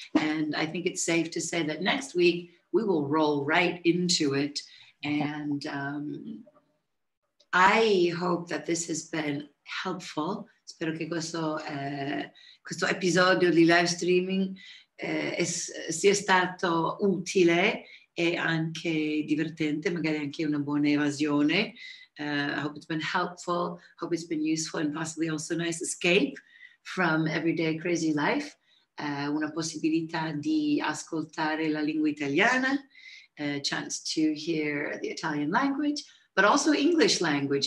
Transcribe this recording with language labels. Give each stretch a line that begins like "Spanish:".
English: And I think it's safe to say that next week we will roll right into it. And I hope that this has been helpful.
Italian: Spero che questo episodio di live streaming sia stato utile e anche divertente, magari anche una buona evasione.
English: I hope it's been helpful, hope it's been useful and possibly also a nice escape from everyday crazy life,
Italian: una possibilità di ascoltare la lingua italiana,
English: a chance to hear the Italian language, but also English language.